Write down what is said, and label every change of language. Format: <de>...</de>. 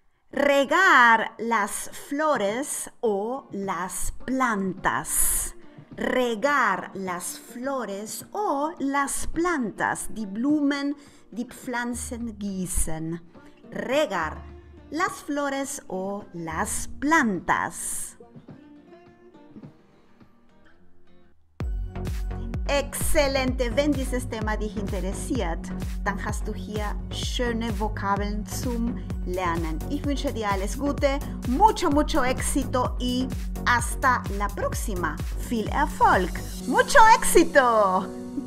<es>Regar las flores o las plantas. Regar las flores o las plantas.</es> <de>Die Blumen, die Pflanzen gießen.</de> <es>Regar las flores o las plantas. Excelente.</es> <de>Wenn dieses Thema dich interessiert, dann hast du hier schöne Vokabeln zum Lernen. Ich wünsche dir alles Gute,</de> <es>mucho, mucho éxito y hasta la próxima.</es> <de>Viel Erfolg.</de> <es>Mucho éxito.</es>